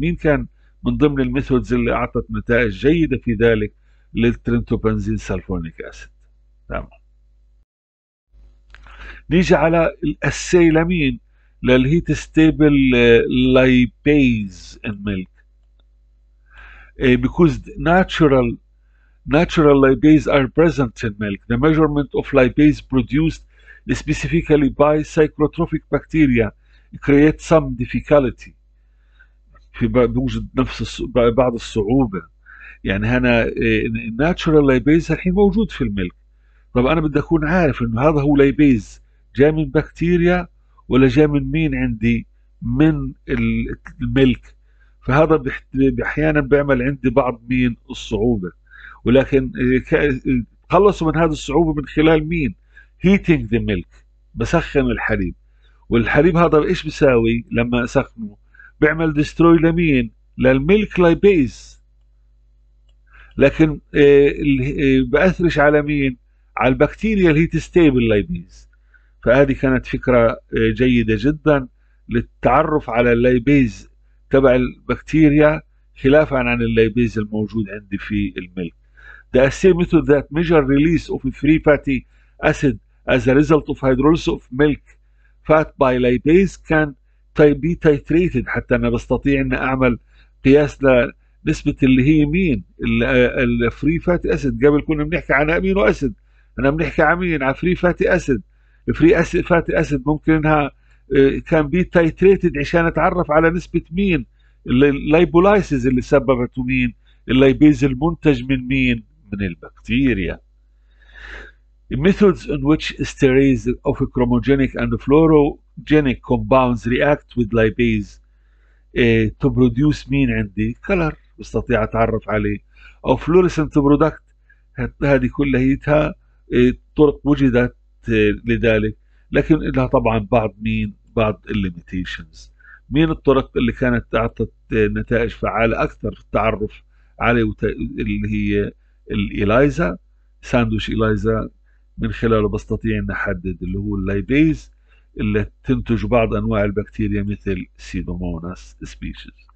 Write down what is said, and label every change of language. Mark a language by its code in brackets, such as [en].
[ar] مين كان من ضمن الميثودز اللي اعطت نتائج جيدة في ذلك؟ للترينتوبنزين سلفونيك اسيد، تمام. نيجي على الاسي لمين؟ للهيت ستيبل لايبيز ان ميلك، بيكوز [en] natural lipase are present in milk. The measurement of lipase produced specifically by cyclotrophic bacteria create some difficulty. [ar] في بوجود نفس بعض الصعوبة. يعني هنا natural lipase الحين موجود في الملك. طب أنا بدي أكون عارف إنه هذا هو lipase جاي من بكتيريا ولا جاي من مين عندي؟ من الملك. فهذا أحيانا بيعمل عندي بعض مين الصعوبة. ولكن خلصوا من هذه الصعوبه من خلال مين؟ هيتينج ذا ميلك، بسخن الحليب. والحليب هذا ايش بيساوي لما اسخنه؟ بيعمل ديستروي لمين؟ للميلك لايبيز. لكن باثرش على مين؟ على البكتيريا الهيت ستيبل لايبيز. فهذه كانت فكره جيده جدا للتعرف على اللايبيز تبع البكتيريا خلافا عن اللايبيز الموجود عندي في الميلك. [en] The assay method that measure release of free fatty acid as a result of hydrolysis of milk fat by lipase can be titrated. [ar] حتى أنا بستطيع أن أعمل قياس لنسبة اللي هي مين ال free fatty acid. قبل كنا بنحكي عن أمينو أسيد، أنا بنحكي عن مين؟ على free fatty acid. free acid fatty acid ممكن أنها [en] can be titrated [ar] عشان أتعرف على نسبة مين lipolysis اللي سببته، مين اللايبيز المنتج من مين؟ من البكتيريا. [en] Methods in which esterase of chromogenic and fluorogenic compounds react with lipase to produce [ar] مين عندي؟ color، استطيع اتعرف عليه. او fluorescent product، هذه كلها طرق وجدت لذلك، لكن لها طبعا بعض مين؟ بعض limitations. مين الطرق اللي كانت اعطت نتائج فعاله اكثر في التعرف عليه؟ اللي هي الإلايزا، ساندوش إلايزا، من خلاله بستطيع أن أحدد اللي هو اللايبيز اللي تنتج بعض أنواع البكتيريا مثل سيدوموناس سبيشيز.